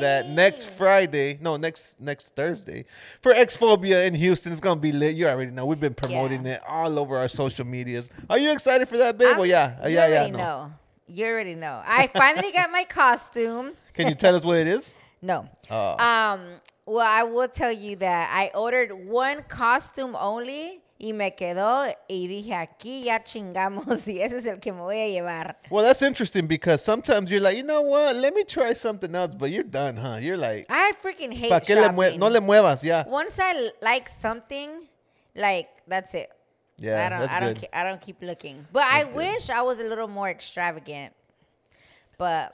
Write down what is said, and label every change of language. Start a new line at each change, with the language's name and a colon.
English: That next Friday. No, next Thursday for Xphobia in Houston. It's going to be lit. You already know. We've been promoting yeah. it all over our social medias. Are you excited for that, babe? Well, yeah. You already know. You already know. I finally got my costume. Can you tell us what it is? No. Well, I will tell you that I ordered one costume only.
Spanish: Y me quedó y dije, aquí ya chingamos y ese es el que me voy a llevar.
English: Well, that's interesting because sometimes you're like, you know what? Let me try something else, but you're done, huh? You're like, I freaking hate shopping.
Spanish: No le muevas, yeah.
English: Once I like something, like, that's it. Yeah, I don't keep looking. But that's I good. Wish I was a little more extravagant. But